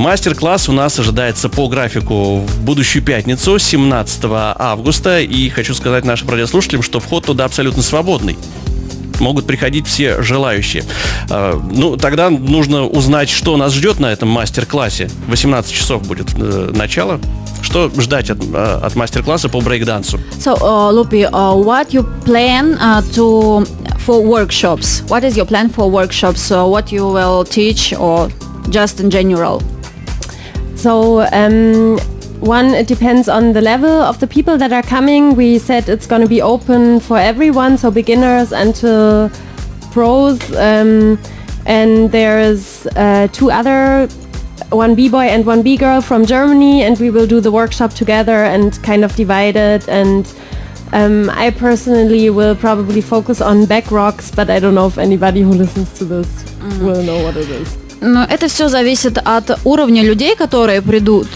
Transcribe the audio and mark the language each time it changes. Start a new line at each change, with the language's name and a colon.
Russian: Мастер-класс у нас ожидается по графику в будущую пятницу, 17 августа, и хочу сказать нашим радиослушателям, что вход туда абсолютно свободный. Могут приходить все желающие. Ну, тогда нужно узнать, что нас ждет на этом мастер-классе. 18 часов будет начало. Что ждать от мастер-класса по брейк-дансу?
English: So, Lupi, what you plan to for workshops? What is your plan for workshops? So, what you will teach or just in general? So, one, it depends on the level of the people that are coming. We said it's going to be open for everyone, so beginners until pros. And there's two other, one b-boy and one b-girl from Germany, and we will do the workshop together and kind of divide it. And I personally will probably focus on back rocks, but I don't know if anybody who listens to this will know what it is.
Russian: Но это все зависит от уровня людей, которые придут.